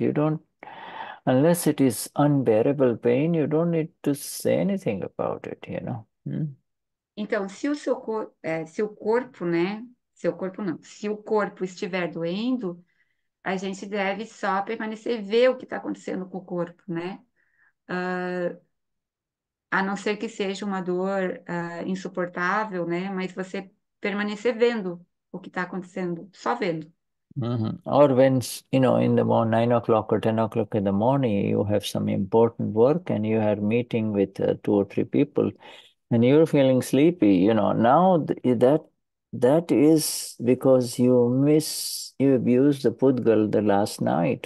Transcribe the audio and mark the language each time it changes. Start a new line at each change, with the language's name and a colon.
English: You don't, unless it is unbearable pain, you don't need to say anything about it,
Portuguese: Então, se o corpo, né? Seu corpo não. Se o corpo estiver doendo, a gente deve só permanecer, ver o que está acontecendo com o corpo, né? A não ser que seja uma dor, insuportável, né? Mas você permanecer vendo o que está acontecendo, só vendo.
English: Or when, in the morning, 9 o'clock or 10 o'clock in the morning, you have some important work and you are meeting with two or three people, and you're feeling sleepy. Now that is because you abused the pudgal the last night.